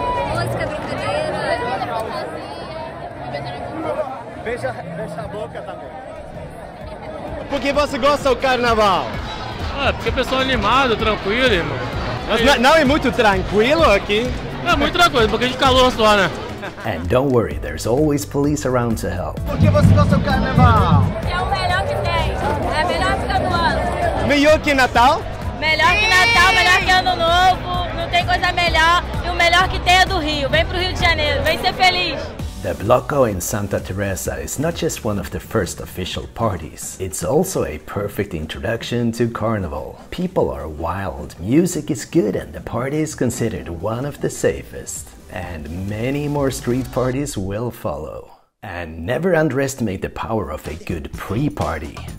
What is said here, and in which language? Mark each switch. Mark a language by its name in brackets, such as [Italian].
[Portuguese] Música brasileira. Beija a boca também. Por que você gosta do carnaval? Porque o pessoal é animado, tranquilo, irmão. Mas não é muito tranquilo aqui? É muito tranquilo, porque a gente calou só, né? [English] And don't worry, there's always police around to help. [Portuguese] Por que você gosta do carnaval? É o melhor que tem. É a melhor época do ano. Melhor que Natal? Melhor que Natal, melhor que Ano Novo. Não tem coisa melhor. E o melhor que tem é do Rio. Vem pro Rio de Janeiro, vem ser feliz. [English] The Bloco in Santa Teresa is not just one of the first official parties, it's also a perfect introduction to Carnival. People are wild, music is good, and the party is considered one of the safest. And many more street parties will follow. And never underestimate the power of a good pre-party.